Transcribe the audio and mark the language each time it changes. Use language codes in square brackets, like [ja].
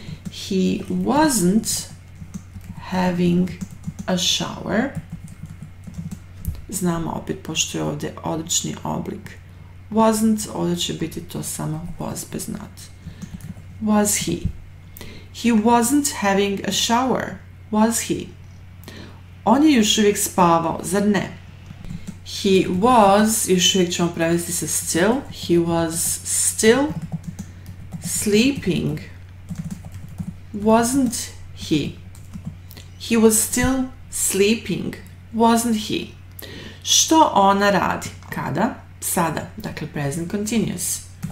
[en] He wasn't having a shower. [bs] Znamo opet, pošto je ovdje odrečni oblik wasn't, ovdje će biti to samo was bez not. [en] Was he? He wasn't having a shower. Was he? [bs] On je još uvijek spavao, zar ne? [en] He was, [bs] još uvijek ćemo prevesti sa [en] still, he was still sleeping Wasn't he? He was still sleeping, wasn't he? [bs] Što ona radi? Kada? Sada. Dakle, present continuous.